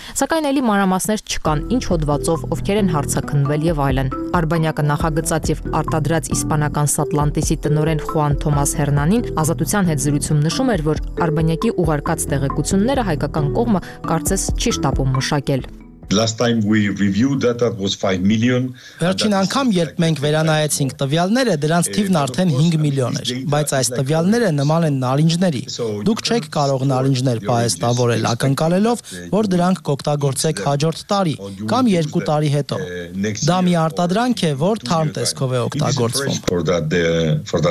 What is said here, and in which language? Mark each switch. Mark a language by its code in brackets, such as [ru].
[hy] Սակայն ելի մանրամասներ չկան, ինչ հոդվածով ովքեր են հարցակնվել եւ այլ Արբանյակը նախագծած եւ արտադրած իսպանական Սատլանտիսի տնորեն Խուան Թոմաս Հերնանին ազատության հետ զրույցում նշում էր, որ արբանյակի ուղարկած տեղեկությունները հայկական կողմը կարծես չի շտապում մշակել։ [en] Last time we reviewed that that was 5 million. [hy] Վերջին անգամ, երբ մենք վերանայեցինք տվյալները, դրանց թիվն արդեն 5 միլիոն էր, բայց այս տվյալները նման են նարինջների։ Դուք չեք կարող նարինջներ պահեստավորել ակնկալելով, որ դրանք կօգտագործեք հաջորդ տարի կամ 2 տարի հետո։ Դա մի արտադրանք է, որ թարմ տեսքով է օգտագործվում։